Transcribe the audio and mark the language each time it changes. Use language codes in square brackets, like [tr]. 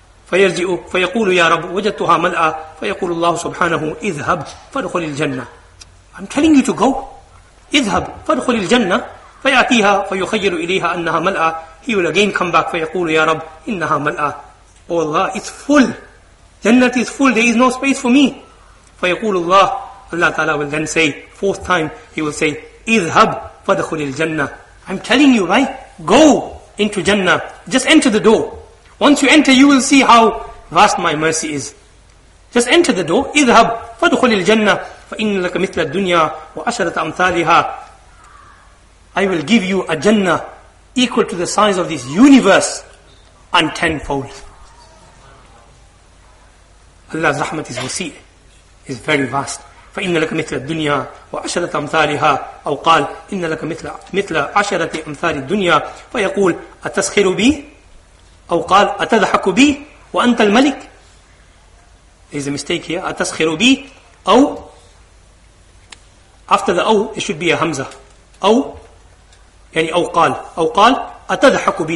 [ar] فيرجع فيقول يا رب وجدتها ملأة فيقول الله سبحانه اذهب فادخل الجنة. [en] I'm telling you to go. [ar] اذهب فادخل الجنة. فيأتيها فيخيل إليها أنها ملأة. [en] He will again come back [ar] فيقول يا رب إنها ملأة. [en] Oh Allah, it's full. Jannah is full. There is no space for me. [ar] فيقول الله, [en] Allah Ta'ala will then say, fourth time, he will say, [ar] اذهب فادخل الجنة. [en] I'm telling you, right? Go into Jannah. Just enter the door. Once you enter, you will see how vast my mercy is. Just enter the door. [ar] اذهب فادخل الجنة فإن لك مثل الدنيا وعشرة أمثالها. [en] I will give you a Jannah equal to the size of this universe and tenfold. Allah's rahmat is wasi, is very vast. [ar] فإن لك مثل الدنيا وعشرة أمثالها. أو قال إن لك مثل عشرة أمثال الدنيا. فيقول أتسخر بي؟ أو قال أتضحك بي وأنت الملك. [en] There is a mistake here. [ar] أتسخر بي أو [en] after the [ar] أو [en] it should be a [ar] همزة أو يعني أو قال أتضحك بي.